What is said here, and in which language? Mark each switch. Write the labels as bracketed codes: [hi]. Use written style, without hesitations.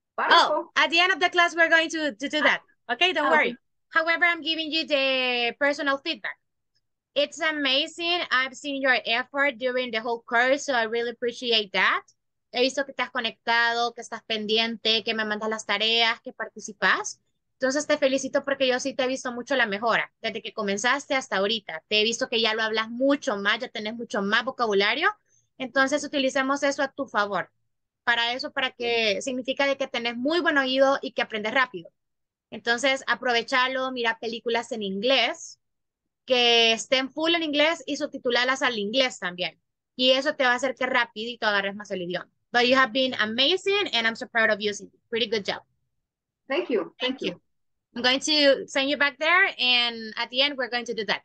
[en] Oh, at the end of the class, we're going to do that. Okay, don't worry. However, I'm giving you the personal feedback. It's amazing. I've seen your effort during the whole course, so I really appreciate that. [es] He visto que estás conectado, que estás pendiente, que me mandas las tareas, que participas. Entonces te felicito porque yo sí te he visto mucho la mejora desde que comenzaste hasta ahorita. Te he visto que ya lo hablas mucho más, ya tenés mucho más vocabulario. Entonces utilicemos eso a tu favor. Para eso, para que sí. Significa de que tenés muy buen oído y que aprendes rápido. Entonces aprovechalo, mira películas en inglés, que estén full en inglés y subtitularlas al inglés también. Y eso te va a hacer que rapidito agarres más el idioma. [en] But you have been amazing and I'm so proud of you. Pretty good job. Thank you. I'm going to send you back there and at the end we're going to do that.